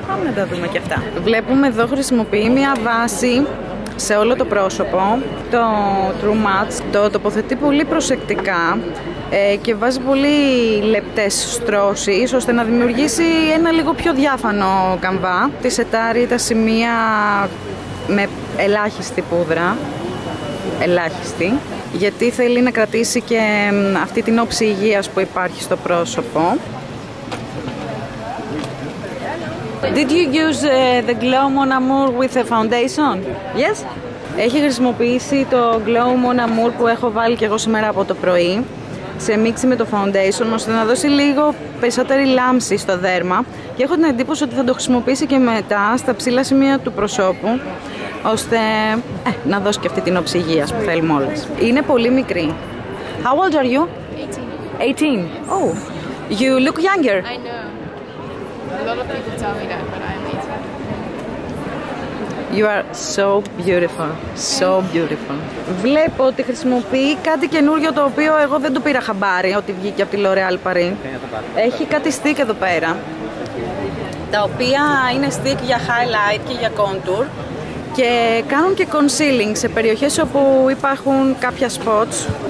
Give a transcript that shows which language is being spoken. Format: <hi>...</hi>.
<el>Πάμε να τα δούμε και αυτά. Βλέπουμε εδώ χρησιμοποιεί μια βάση σε όλο το πρόσωπο, το True Match, το τοποθετεί πολύ προσεκτικά και βάζει πολύ λεπτές στρώσεις ώστε να δημιουργήσει ένα λίγο πιο διάφανο καμβά. Τη σετάρει τα σημεία με ελάχιστη πούδρα, ελάχιστη, γιατί θέλει να κρατήσει και αυτή την όψη υγείας που υπάρχει στο πρόσωπο.</el> <en>Did you use the Glow Mon Amour with a foundation? Yes.</en> <el>Έχει χρησιμοποιήσει το Glow Mon Amour που έχω βάλει και εγώ σήμερα από το πρωί σε μίξη με το foundation ώστε να δώσει λίγο περισσότερη λάμψη στο δέρμα και έχω την εντύπωση ότι θα το χρησιμοποιήσει και μετά στα ψηλά σημεία του προσώπου ώστε να δώσει και αυτή την όψη υγείας που θέλουμε όλες. Είναι πολύ μικρή.</el> <en>How old are you? 18. 18? Yes. Oh, you look younger. I know. A lot of people tell me that, but I'm 18. You are so beautiful, so beautiful.</en> <el>Βλέπω ότι χρησιμοποιεί κάτι καινούργιο το οποίο εγώ δεν το πήρα χαμπάρι, ότι βγήκε από τη L'Oréal Paris. Έχει κάτι stick εδώ πέρα, τα οποία είναι stick για highlight και για contour και κάνουν και concealing σε περιοχές όπου υπάρχουν κάποια spots.</el>